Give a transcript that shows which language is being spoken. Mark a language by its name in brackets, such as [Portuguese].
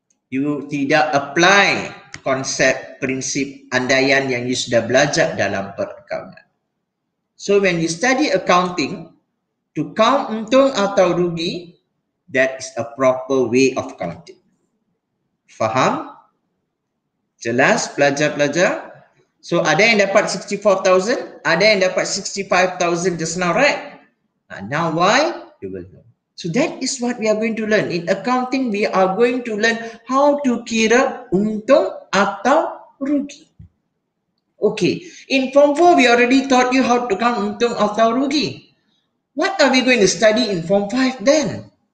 [Malay] You tidak apply konsep prinsip andaian yang you sudah belajar dalam perakaunan. [English] So when you study accounting, to count [Malay] untung atau rugi, [English] that is a proper way of counting. [Malay] Faham? Jelas pelajar-pelajar? So ada yang dapat 64,000, ada yang dapat 65,000 [English] just now, right? Now why? You will know. So that is what we are going to learn. In accounting, we are going to learn how to [Malay] kira untung atau rugi. [English] Okay, in Form 4, we already taught you how to count [Malay] untung atau rugi. [English] What are we going to study in Form 5 then?